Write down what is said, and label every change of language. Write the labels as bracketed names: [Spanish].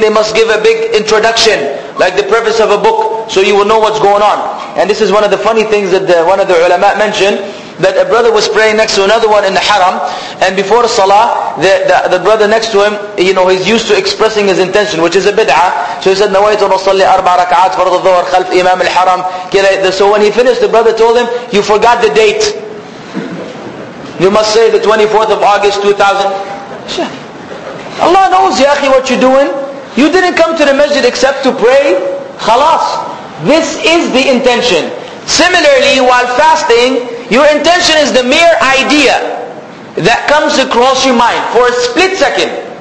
[English] They must give a big introduction, like the preface of a book, so you will know what's going on. And this is one of the funny things that one of the ulama mentioned, that a brother was praying next to another one in the haram, and before Salah, the brother next to him, you know, he's used to expressing his intention, which is a bid'ah. So he said, [Arabic] نَوَيْتُ نُصَلِّ أَرْبَعْ رَكَعَاتْ فَرْضَ الظُّهْرِ خَلْفْ إِمَامِ الْحَرَمِ. [English] So when he finished, the brother told him, you forgot the date. You must say the 24th of August 2000. Allah knows, ya akhi, what you're doing. You didn't come to the masjid except to pray. Khalas. This is the intention. Similarly, while fasting, your intention is the mere idea that comes across your mind for a split second.